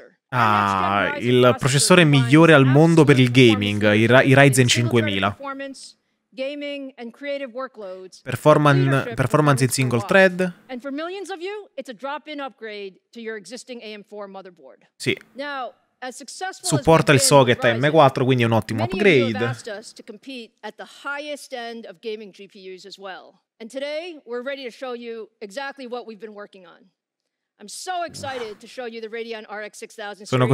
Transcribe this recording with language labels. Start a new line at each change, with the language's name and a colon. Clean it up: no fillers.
Italian: Ah, il processore migliore al mondo per il gaming, i Ryzen 5000.
English: Gaming and creative workloads, performance in single thread. And for millions of you, it's a drop-in upgrade to your existing AM4 motherboard.
Italian: Sì. Supporta il socket M4, quindi è un ottimo upgrade.
English: Many of you have asked us to compete at the highest end of gaming GPUs as well. And today we're ready to show you exactly what we've been working on. I'm so excited to show you the Radeon RX 6000 series.